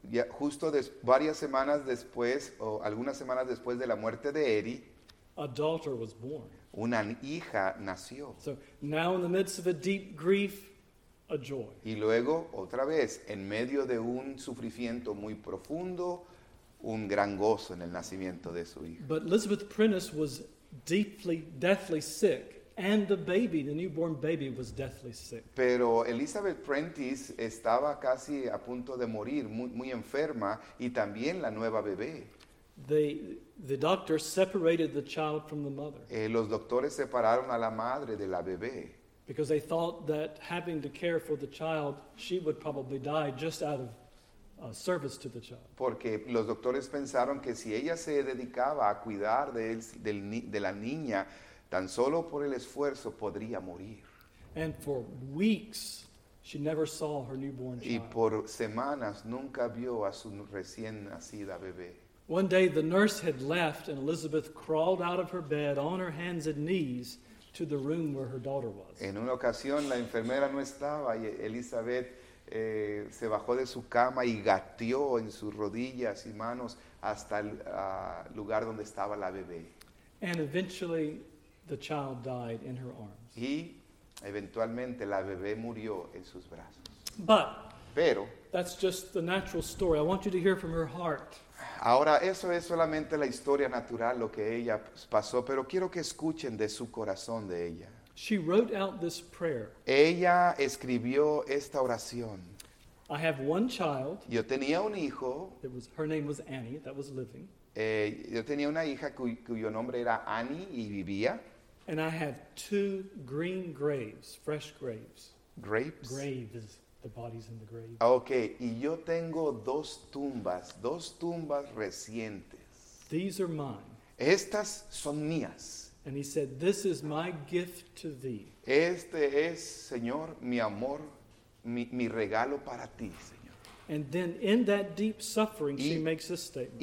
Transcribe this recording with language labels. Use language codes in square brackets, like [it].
[es] Justo varias semanas después o algunas semanas después de la muerte de Eddie. [en] A daughter was born. [es] Una hija nació. [en] So now in the midst of a deep grief, a joy. [es] Y luego, otra vez, en medio de un sufrimiento muy profundo, un gran gozo en el nacimiento de su hija. [en] But Elizabeth Prentice was deeply, deathly sick. And the baby, the newborn baby, was deathly sick. [es] Pero Elizabeth Prentice estaba casi a punto de morir, muy, muy enferma, y también la nueva bebé. [en] The doctor separated the child from the mother. [es] Los doctores separaron a la madre de la bebé. [en] Because they thought that having to care for the child, she would probably die just out of service to the child. [es] Porque los doctores pensaron que si ella se dedicaba a cuidar de la niña, tan solo por el esfuerzo podría morir. [en] And for weeks, she never saw her newborn child. [es] Y por semanas nunca vio a su recién nacida bebé. [en] One day the nurse had left and Elizabeth crawled out of her bed on her hands and knees to the room where her daughter was. [es] En una ocasión la enfermera no estaba y Elizabeth se bajó de su cama y gateó en sus rodillas y manos hasta el lugar donde estaba la bebé. [en] And eventually the child died in her arms. [es] Y eventualmente la bebé murió en sus brazos. [en] But [es] pero [en] that's just the natural story. I want you to hear from her heart. [es] Ahora, eso es solamente la historia natural, lo que ella pasó, pero quiero que escuchen de su corazón de ella. [en] She wrote out this prayer. [es] Ella escribió esta oración. [en] I have one child. [es] Yo tenía un hijo. [en] It was, her name was Annie, that was living. [es] Yo tenía una hija cuyo nombre era Annie y vivía. [en] And I have 2 green graves, fresh graves. Grapes? Graves. The bodies in the grave. [es] Okay, y yo tengo dos tumbas recientes. [en] These are mine. [es] Estas son mías. [en] And he said, "This is my gift to thee." [es] Este es, Señor, mi amor, mi regalo para ti, Señor. [en] And then in that deep suffering, she makes a statement.